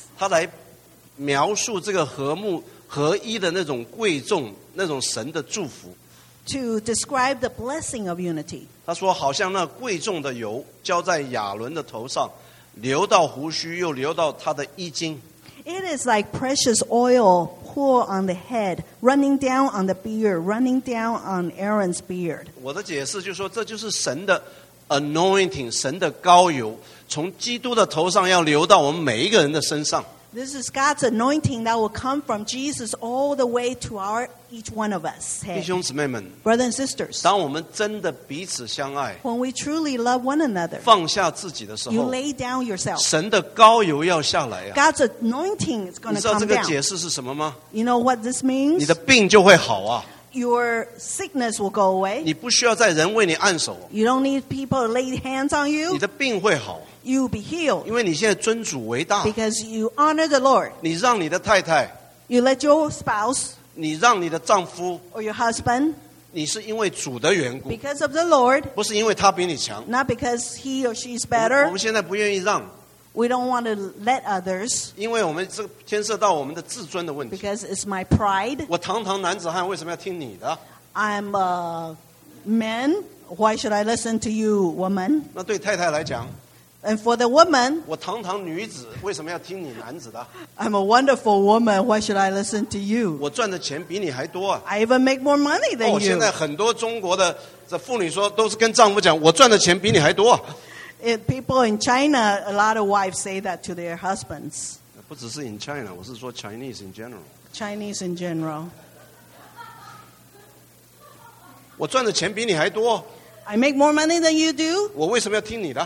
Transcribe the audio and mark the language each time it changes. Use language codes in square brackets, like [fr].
[zh] 他来描述这个和睦, 合一的那种贵重, 那种神的祝福。 [en] To describe the blessing of unity. [zh] 他说好像那贵重的油浇在亚伦的头上, 流到胡须, 又流到他的衣襟。 [en] It is like precious oil poured on the head, running down on the beard, running down on Aaron's beard. [zh] 我的解释就是说, 这就是神的 anointing, 神的膏油，从基督的头上要流到我们每一个人的身上。 [en] This is God's anointing that will come from Jesus all the way to our each one of us. [zh] Hey, 弟兄姊妹们 [en] brothers and sisters, [zh] 当我们真的彼此相爱 [en] when we truly love one another, [zh] 放下自己的时候 [en] you lay down yourself. [zh] 神的膏油要下来、啊、 [en] God's anointing is going to come down. [zh] 你知道这个解释是什么吗 [en] You know what this means? [zh] 你的病就会好啊。 [en] Your sickness will go away. [zh] 你不需要再人为你按手。 [en] You don't need people to lay hands on you. [zh] 你的病会好。 [en] You will be healed. [zh] 因为你现在尊主为大。 [en] Because you honor the Lord. [zh] 你让你的太太。 [en] You let your spouse. [zh] 你让你的丈夫。 [en] Or your husband. [zh] 你是因为主的缘故。 [en] Because of the Lord. [zh] 不是因为他比你强。 [en] Not because he or she is better. [zh] 我们现在不愿意让。 [en] We don't want to let others. [zh] 因为我们这牵涉到我们的自尊的问题。 [en] Because it's my pride. [zh] 我堂堂男子汉为什么要听你的？ [en] I'm a man. Why should I listen to you, woman? [zh] 那对太太来讲。 [en] And for the woman. [zh] 我堂堂女子为什么要听你男子的？ [en] I'm a wonderful woman. Why should I listen to you? [zh] 我赚的钱比你还多啊。 [en] I even make more money than you. [zh] 哦，现在很多中国的这妇女说，都是跟丈夫讲，我赚的钱比你还多。 [en] People in China, a lot of wives say that to their husbands. [zh] 不只是 [en] in China, [zh] 我是说 [en] Chinese in general. Chinese in general. [zh] 我赚的钱比你还多。 [en] I make more money than you do. [zh] 我为什么要听你的？